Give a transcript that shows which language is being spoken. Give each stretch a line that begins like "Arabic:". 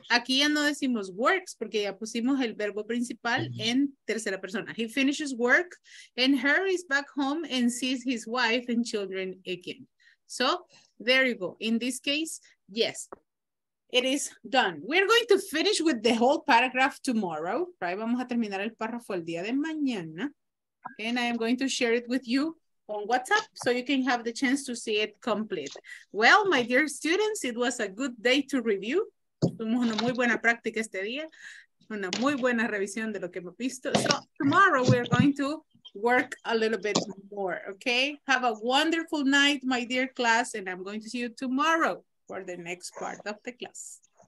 Spanish: Aquí ya no decimos works porque ya pusimos el verbo principal en tercera persona.
English: He finishes work and hurries back home and sees his wife and children again. So, there you go. In this case, yes, it is done. We're going to finish with the whole paragraph tomorrow. Right?
Spanish: Vamos a terminar el párrafo el día de mañana.
English: And I am going to share it with you on WhatsApp so you can have the chance to see it complete. Well, my dear students, it was a good day to review.
Spanish: Tuvimos una muy buena práctica este día, una muy buena revisión de lo que hemos visto.
English: So, tomorrow we're going to work a little bit more, okay? Have a wonderful night, my dear class, and I'm going to see you tomorrow for the next part of the class.